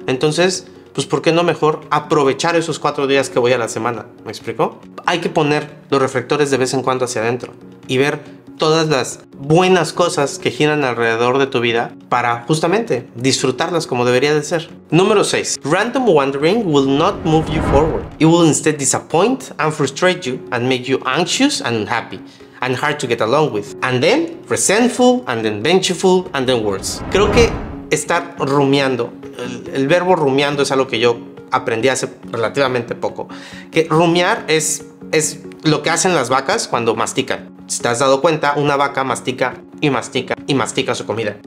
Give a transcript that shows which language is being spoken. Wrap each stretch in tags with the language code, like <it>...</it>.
<es>Entonces, pues ¿por qué no mejor aprovechar esos 4 días que voy a la semana? ¿Me explico? Hay que poner los reflectores de vez en cuando hacia adentro y ver todas las buenas cosas que giran alrededor de tu vida para justamente disfrutarlas como debería de ser. Número 6.</es> <en>Random wandering will not move you forward. It will instead disappoint and frustrate you and make you anxious and unhappy and hard to get along with. And then resentful and then vengeful and then worse.</en> <es>Creo que estar rumiando, el verbo rumiando es algo que yo aprendí hace relativamente poco. Que rumiar es lo que hacen las vacas cuando mastican. Si te has dado cuenta, una vaca mastica y mastica y mastica su comida.</es>